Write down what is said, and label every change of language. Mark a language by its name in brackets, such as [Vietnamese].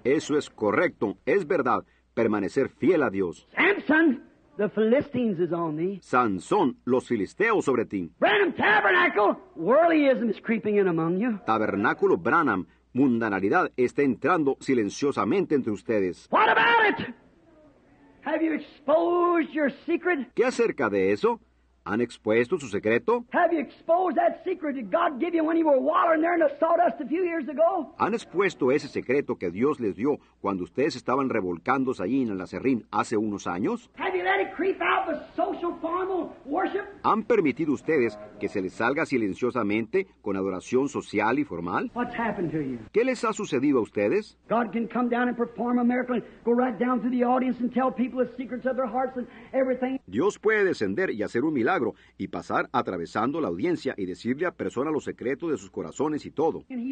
[Spanish] Eso es correcto, es verdad, permanecer fiel a Dios. [English] Samson, the Philistines is on thee. [Spanish] Sansón, los filisteos sobre ti. [English] Branham Tabernacle, worldlyism is creeping in among you. [Spanish] Tabernáculo Branham, mundanalidad está entrando silenciosamente entre ustedes. [English] What about it? Have you exposed your secret? [Spanish] ¿Qué acerca de eso? ¿Han expuesto su secreto? [English] Have you exposed that secret that God gave you when you were wallowing there in the sawdust a few years ago? [Spanish] ¿Han expuesto ese secreto que Dios les dio cuando ustedes estaban revolcándose allí en el aserrín hace unos años? [English] Have you let it creep out the social formal worship? [Spanish] ¿Han permitido ustedes que se les salga silenciosamente con adoración social y formal? [English] What's happened to you? [Spanish] ¿Qué les ha sucedido a ustedes? [English] God can come down and perform a miracle and go right down to the audience and tell people the secrets of their hearts and everything. [Spanish] Dios puede descender y hacer un milagro y pasar atravesando la audiencia y decirle a personas los secretos de sus corazones y todo.